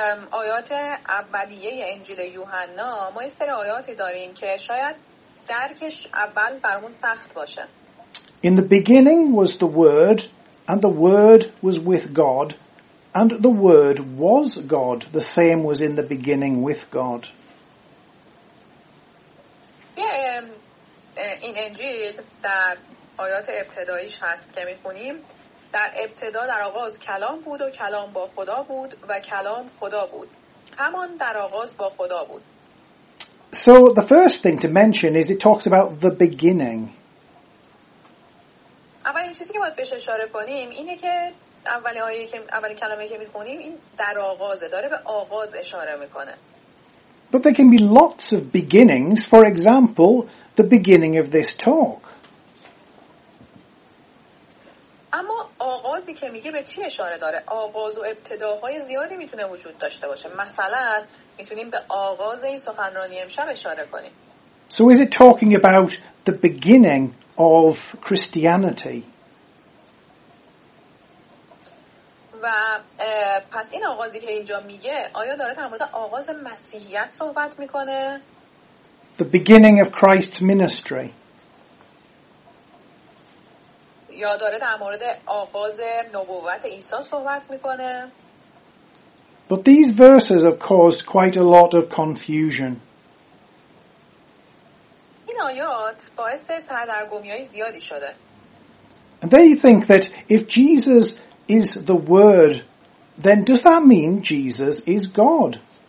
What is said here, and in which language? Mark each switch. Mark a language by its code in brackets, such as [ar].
[fa] آیات اولیه انجیل یوحنا ما یه سر آیاتی داریم که شاید درکش اول برامون سخت باشه. [en] In the beginning was the word and the word was with God and the word was God. The same was in the beginning with God. [fa] این انجیل در آیات ابتداییش هست که میخونیم در ابتدا در آغاز کلام بود و کلام با خدا بود و کلام خدا بود. همان در آغاز با خدا بود. [en] So the first thing to mention is it talks about the beginning. [fa] اولین چیزی که باید بهش اشاره کنیم اینه که اولی کلامی که میخونیم این در آغازه، داره به آغاز اشاره میکنه. [en] But there can be lots of beginnings. For example, the beginning of this talk. [fa] اما آغازی که میگه به چی اشاره داره؟ آغاز و ابتداهای زیادی میتونه وجود داشته باشه. مثلا میتونیم به آغاز این سخنرانی امشب اشاره کنیم. [en] So is it talking about the beginning of Christianity? [fa] و پس این آغازی که اینجا میگه آیا داره در مورد آغاز مسیحیت صحبت میکنه؟ [en] The beginning of Christ's ministry. [fa] یا داره در مورد آغاز نبوت عیسی صحبت میکنه. [en] But these verses have caused quite a lot of confusion. [fa] این آیات باعث سردرگمی های زیادی شده. [en] And they think that if Jesus is the word, then does that mean Jesus is God?